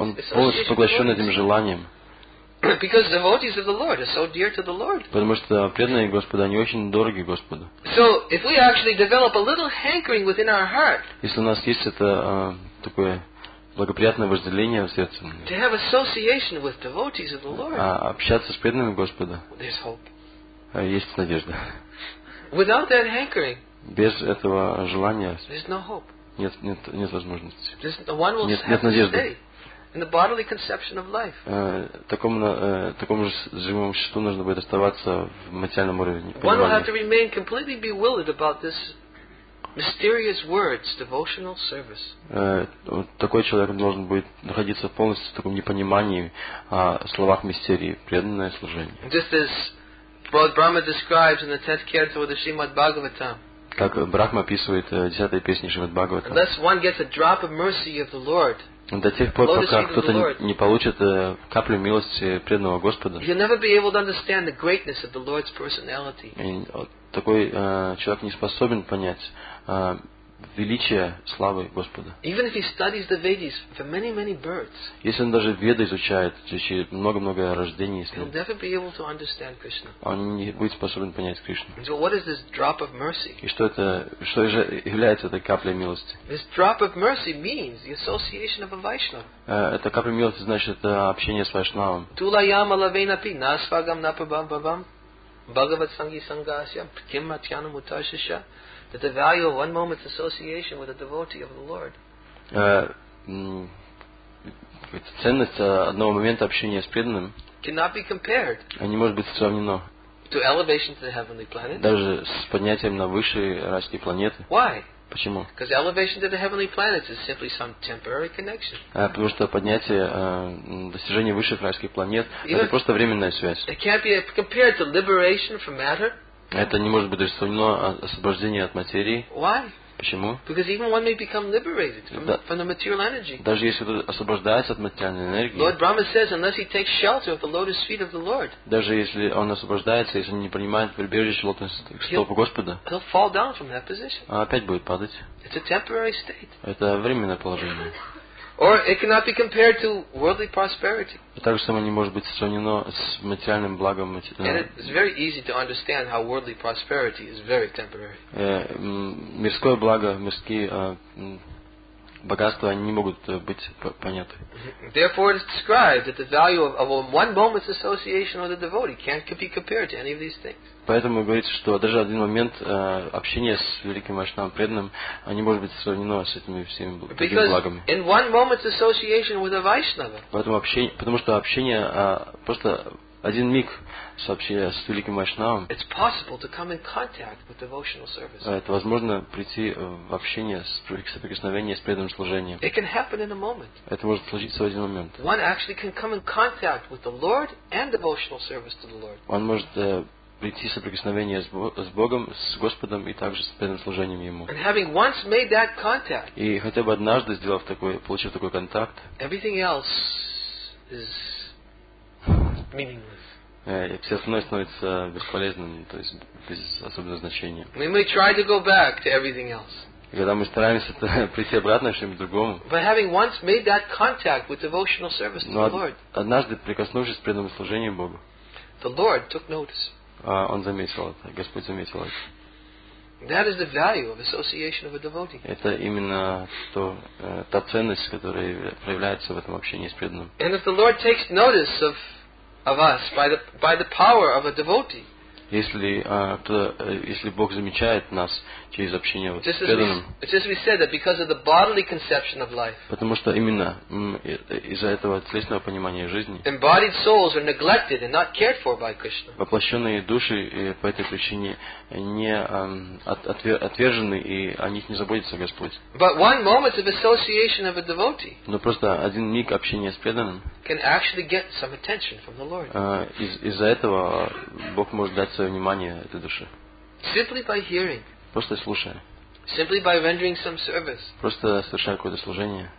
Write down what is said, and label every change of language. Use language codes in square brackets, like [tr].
[ru] Он полностью поглощен этим желанием. [en] Because devotees of the Lord are so dear to the Lord. [ru] Потому что преданные Господа, они очень дороги Господу. [en] So if we actually develop a little hankering within our heart. [ru] Если у нас есть это такое благоприятное вожделение в сердце. [en] To have association with devotees of the Lord. [ru] Общаться с преданными Господа. [en] There's hope. [ru] Есть надежда. [en] Without that hankering. [ru] Без этого желания. [en] There's no hope. [ru] Нет возможности. [en] One will [ru] нет надежды. [en] To stay. in the bodily conception of life. [ru] Таком же живом существу нужно будет оставаться в материальном уровне. [en] One will have to remain completely bewildered about this mysterious words, devotional service. [ru] Такой человек должен будет находиться полностью в таком непонимании о словах мистерии, преданное служение. [en] Just as Lord Brahma describes in the 10th canto of the Srimad Bhagavatam. [ru] Как Брахма описывает десятой песни Шримад Бхагаватам. [en] Unless one gets a drop of mercy of the Lord. [ru] До тех пор, пока кто-то не получит каплю милости преданного Господа. [en] You'll never be able to understand the greatness of the Lord's personality. [ru] Такой человек не способен понять величие славы Господа. [en] Even if he studies the Vedas for many, many births. [ru] Если он даже Веды изучает через много-много рождений, если [en] he'll never be able to understand Krishna. [ru] Он не будет способен понять Кришну. [en] And so what is this drop of mercy? [ru] И что же является этой каплей милости? [en] This drop of mercy means the association of a Vaishnava. [ru] Это капля милости значит это общение с Вайшнавом. [sa] Тулаяма лавейна пи насвагам напабам бабам Бхагават санги сангасья ким матьянам утаршиша. [en] That the value of one moment's association with a devotee of the Lord. [ru] Ценность одного момента общения с преданным. [en] Cannot be compared. [ru] Не может быть сравнено. [en] To elevation to the heavenly planet. [ru] Даже с поднятием на высшие райские планеты. [en] Why? [ru] Почему? [en] Because elevation to the heavenly planets is simply some temporary connection. [ru] Потому что поднятие, достижение высших райских планет, это просто временная связь. [en] It can't be compared to liberation from matter. [ru] Это не может быть сравнено освобождение от материи. [en] Why? [ru] Почему? [en] Because even one may become liberated from the material energy. [ru] Даже если кто-то освобождается от материальной энергии. [en] Lord Brahma says, unless he takes shelter of the lotus feet of the Lord. [ru] Даже если он освобождается, если не принимает прибежище лотосных стоп Господа. [en] He'll fall down from that position. [ru] Опять будет падать. [en] It's a temporary state. [ru] Это временное положение. [en] Or it cannot be compared to worldly prosperity. [ru] Также само не может быть сравнено с материальным благом. [en] And it is very easy to understand how worldly prosperity is very temporary. [ru] Мирское благо, мирские богатства, они не могут быть поняты. [en] Therefore, it is described that the value of one moment's association with a devotee can't be compared to any of these things. [ru] Поэтому говорится, что даже один момент общения с великим вайшнавом преданным не может быть сравнено с этими всеми благами. [en] In one moment's association with a Vaishnava. [ru] Потому что общение просто один миг сообщения с великим вайшнавом. [en] It's possible to come in contact with devotional service. [ru] Это возможно прийти в общение с соприкосновение с преданным служением. [en] It can happen in a moment. [ru] Это может случиться в один момент. [en] One actually can come in contact with the Lord and devotional service to the Lord. [ru] Он может прийти соприкосновение с Богом, с Господом и также с преданным служением Ему. [en] And having once made that contact, [ru] и хотя бы однажды сделав такой, получив такой контакт, [en] everything else is meaningless. [ru] Все остальное становится бесполезным, то есть без особого значения. [en] We may try to go back to everything else. [ru] И когда мы стараемся прийти обратно к чему-то другому. [en] But having once made that contact with devotional service to the Lord, [ru] однажды прикоснувшись к преданному служению Богу, [en] the Lord took notice. [ru] Он заметил это, Господь заметил это. [en] That is the value of association of a devotee. [ru] Это именно то, та ценность, которая проявляется в этом общении с преданным. [en] And if the Lord takes notice of us by the power of a devotee. [ru] Если Бог замечает нас через общение с преданным. [en] Just as we said that because of the bodily conception of life. [ru] Потому что именно из-за этого телесного понимания жизни. [en] Embodied souls are neglected and not cared for by Krishna. [ru] Воплощенные души по этой причине не отвержены и о них не заботится Господь. [en] But one moment of association of a devotee. [ru] Но просто один миг общения с преданным. [en] Can actually get some attention from the Lord. [ru] Из-за этого Бог может дать свое внимание этой душе. [en] Simply by hearing. [ru] Просто слушая. [en] Simply by rendering some service. [ru] Просто совершая какое-то служение.